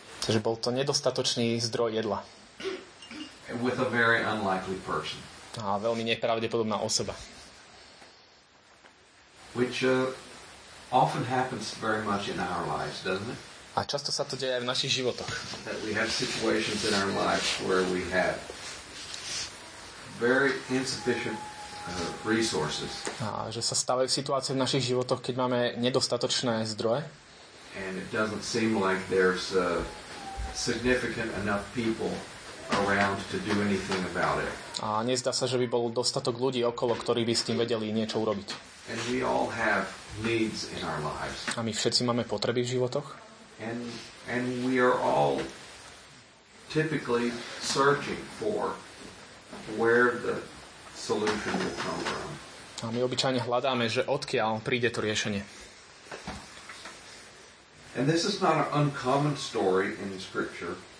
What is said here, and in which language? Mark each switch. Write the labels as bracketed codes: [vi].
[sk] Takže bol to nedostatočný zdroj jedla. [en] With a very unlikely person. [sk] A veľmi nepravdepodobná osoba. [en] Which often happens very much in our lives, doesn't it? [sk] A často sa to deje aj v našich životoch. [en] That we have situations in our lives where we have very insufficient resources. [sk] A že sa stávajú situácie v našich životoch, keď máme nedostatočné zdroje. [en] And it doesn't seem like there's significant enough people around to do anything about it. [sk] A nezdá sa, že by bol dostatok ľudí okolo, ktorí by s tým vedeli niečo urobiť. [en] And we all have needs in our lives. [sk] A my všetci máme potreby v životoch. [en] And we are all typically searching for where the solution will come from. [sk] A my obyčajne hľadáme, že odkiaľ príde to riešenie. [en] And this is not an uncommon story in the scripture.